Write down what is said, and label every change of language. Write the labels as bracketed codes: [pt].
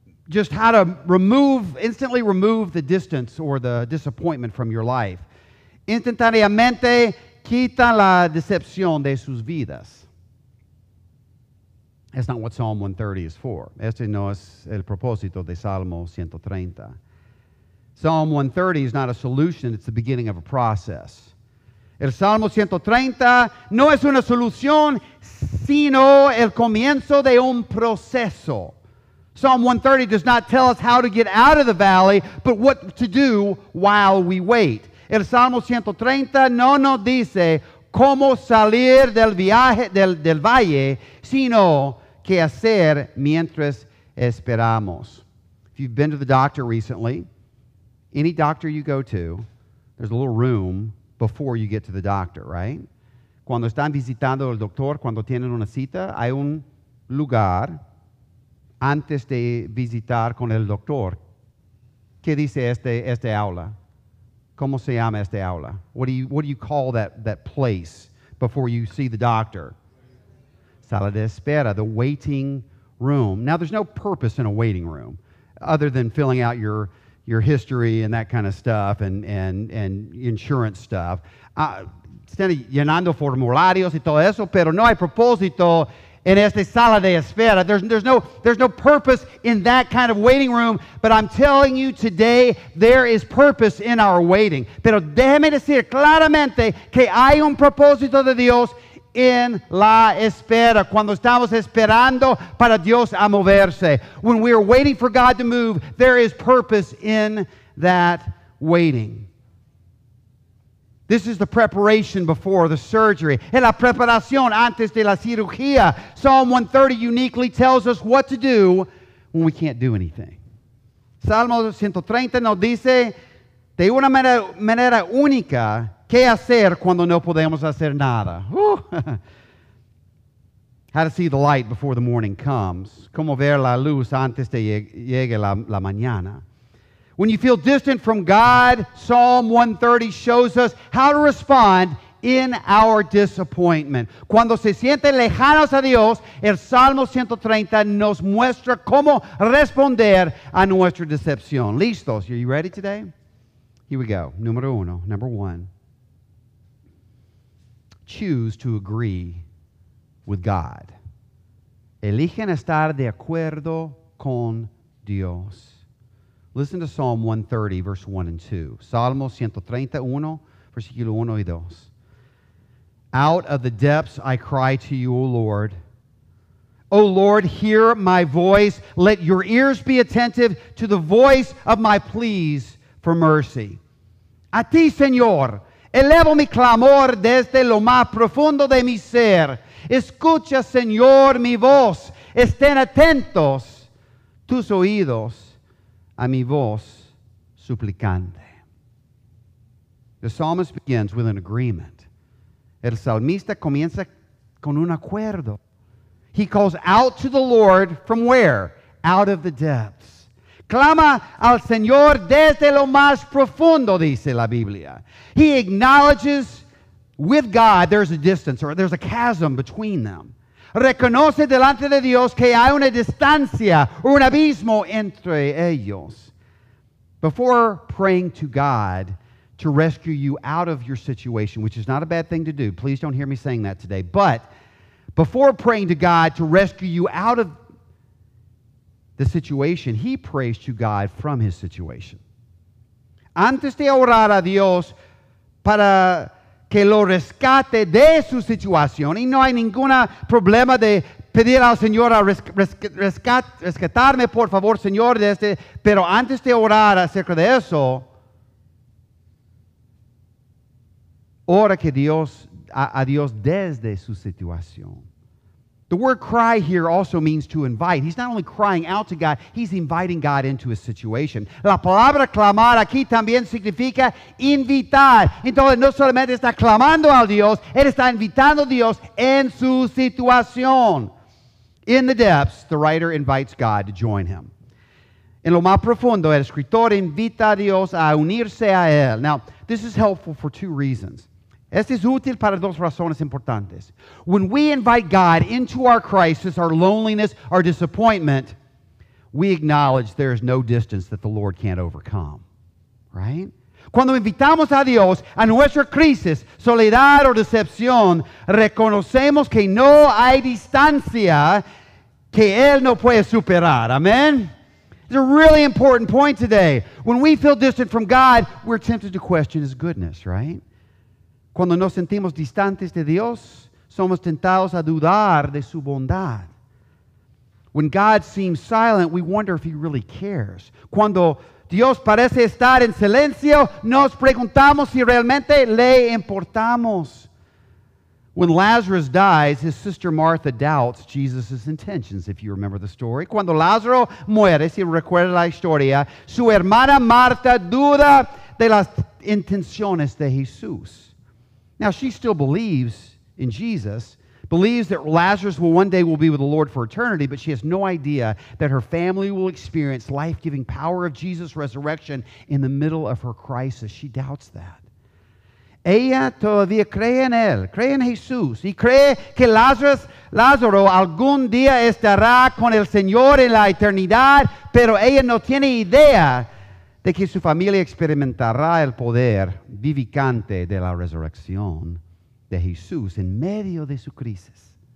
[en] Just how to instantly remove the distance or the disappointment from your life. [es] Instantáneamente quita la decepción de sus vidas. [en] That's not what Psalm 130 is for. [es] Este no es el propósito de Salmo 130. [en] Psalm 130 is not a solution, it's the beginning of a process. [es] El Salmo 130 no es una solución, sino el comienzo de un proceso. [en] Psalm 130 does not tell us how to get out of the valley, but what to do while we wait. [es] El Salmo 130 no nos dice cómo salir del viaje del valle, sino qué hacer mientras esperamos. [en] If you've been to the doctor recently, any doctor you go to, there's a little room before you get to the doctor, right? [es] Cuando están visitando al doctor, cuando tienen una cita, hay un lugar antes de visitar con el doctor. ¿Qué dice este aula? ¿Cómo se llama este aula? [en] What do you call that place before you see the doctor? [es] Sala de espera, [en] the waiting room. Now, there's no purpose in a waiting room other than filling out your history and that kind of stuff and insurance stuff. [es] Están llenando formularios y todo eso, pero no hay propósito en esta sala de espera. [en] There's no purpose in that kind of waiting room, but I'm telling you today, there is purpose in our waiting. [es] Pero déjeme decir claramente que hay un propósito de Dios en la espera, cuando estamos esperando para Dios a moverse. [en] When we are waiting for God to move, there is purpose in that waiting. This is the preparation before the surgery. [es] Es la preparación antes de la cirugía. [en] Psalm 130 uniquely tells us what to do when we can't do anything. [es] Salmo 130 nos dice de una manera única qué hacer cuando no podemos hacer nada. [en] How to see the light before the morning comes. [es] Cómo ver la luz antes de llegue la mañana. [en] When you feel distant from God, Psalm 130 shows us how to respond in our disappointment. [es] Cuando se siente lejanos a Dios, el Salmo 130 nos muestra cómo responder a nuestra decepción. ¿Listos? [en] Are you ready today? Here we go. [es] Número uno. [en] Number one. Choose to agree with God. [es] Eligen estar de acuerdo con Dios. [en] Listen to Psalm 130, verse 1 and 2. [es] Salmo 131, versículo 1 y 2. [en] Out of the depths I cry to you, O Lord. O Lord, hear my voice. Let your ears be attentive to the voice of my pleas for mercy. [es] A ti, Señor, elevo mi clamor desde lo más profundo de mi ser. Escucha, Señor, mi voz. Estén atentos tus oídos a mi voz suplicante. [en] The psalmist begins with an agreement. [es] El salmista comienza con un acuerdo. [en] He calls out to the Lord from where? Out of the depths. [es] Clama al Señor desde lo más profundo, dice la Biblia. [en] He acknowledges with God there's a distance or there's a chasm between them. [es] Reconoce delante de Dios que hay una distancia o un abismo entre ellos. [en] Before praying to God to rescue you out of your situation, which is not a bad thing to do. Please don't hear me saying that today. But before praying to God to rescue you out of the situation, he prays to God from his situation. [es] Antes de orar a Dios para que lo rescate de su situación, y no hay ningún problema de pedir al Señor a rescatarme, por favor, Señor, de este. Pero antes de orar acerca de eso, ora que Dios, a Dios desde su situación. [en] The word cry here also means to invite. He's not only crying out to God, he's inviting God into his situation. [es] La palabra clamar aquí también significa invitar. Entonces, no solamente está clamando a Dios, él está invitando a Dios en su situación. [en] In the depths, the writer invites God to join him. [es] En lo más profundo, el escritor invita a Dios a unirse a él. [en] Now, this is helpful for two reasons. [es] Este es útil para dos razones importantes. [en] When we invite God into our crisis, our loneliness, our disappointment, we acknowledge there is no distance that the Lord can't overcome. Right? [es] Cuando invitamos a Dios a nuestra crisis, soledad o decepción, reconocemos que no hay distancia que Él no puede superar. [en] Amen? It's a really important point today. When we feel distant from God, we're tempted to question His goodness, right? [es] Cuando nos sentimos distantes de Dios, somos tentados a dudar de su bondad. [en] When God seems silent, we wonder if He really cares. [es] Cuando Dios parece estar en silencio, nos preguntamos si realmente le importamos. [en] When Lazarus dies, his sister Martha doubts Jesus' intentions, if you remember the story. [es] Cuando Lázaro muere, si recuerda la historia, su hermana Martha duda de las intenciones de Jesús. [en] Now, she still believes in Jesus, believes that Lazarus will one day will be with the Lord for eternity, but she has no idea that her family will experience life-giving power of Jesus' resurrection in the middle of her crisis. She doubts that. [es] Ella todavía cree en él, cree en Jesús, y cree que Lázaro algún día estará con el Señor en la eternidad, pero ella no tiene idea de que su familia experimentará el poder vivificante de la resurrección de Jesús en medio de su crisis.